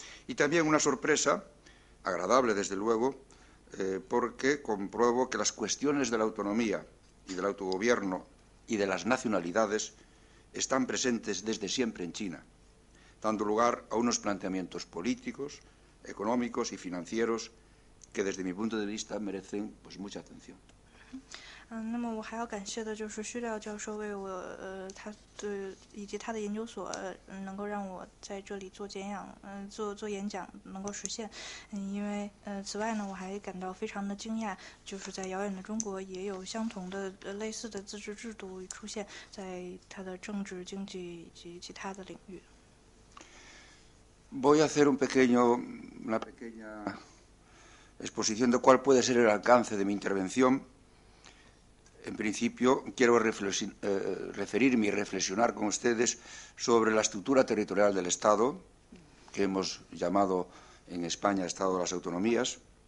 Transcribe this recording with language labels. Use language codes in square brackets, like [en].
[es] Y también una sorpresa, agradable desde luego, porque compruebo que las cuestiones de la autonomía y del autogobierno y de las nacionalidades están presentes desde siempre en China, dando lugar a unos planteamientos políticos, económicos y financieros que desde mi punto de vista merecen, pues, mucha atención. [zh] 那么我还要感谢的就是徐廖教授为我，他对以及他的研究所，能够让我在这里做简讲，做演讲能够实现。因为此外呢，我还感到非常的惊讶，就是在遥远的中国也有相同的类似的自治制度出现在他的政治、经济以及其他的领域。 [es] Voy a hacer una pequeña exposición de cuál puede ser el alcance de mi intervención. En principio, quiero referirme y reflexionar con ustedes sobre la estructura territorial del Estado, que hemos llamado en España Estado de las Autonomías,